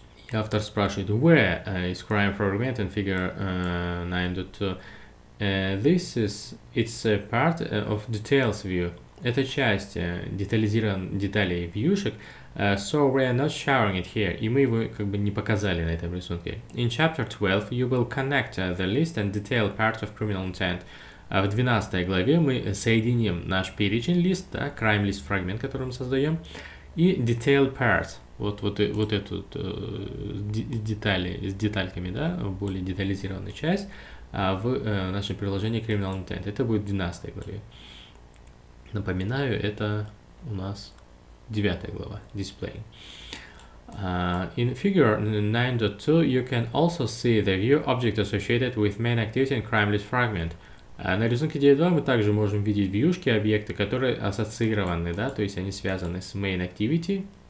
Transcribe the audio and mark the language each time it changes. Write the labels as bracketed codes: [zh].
[ru] И автор спрашивает, [en] where is crime fragment in figure 9.2? This is, it's a part of details view. [ru] Это часть детализированных деталей вьюшек. [en] So we are not showing it here. [ru] И мы его как бы не показали на этом рисунке. [en] In chapter 12 you will connect the list and detail part of criminal intent. [ru] А в 12 главе мы соединим наш перечень лист, да, crime list фрагмент, который мы создаем, и detail part. Вот эту детали с детальками, да, более детализированную часть в нашем приложении Criminal Intent. Это будет 12 главе. Напоминаю, это у нас 9 глава, Display. [en] In figure 9.2 you can also see the view object associated with main activity and crime list fragment. [ru] На рисунке 9.2 мы также можем видеть вьюшки объекта, которые ассоциированы, да, то есть они связаны с main activity.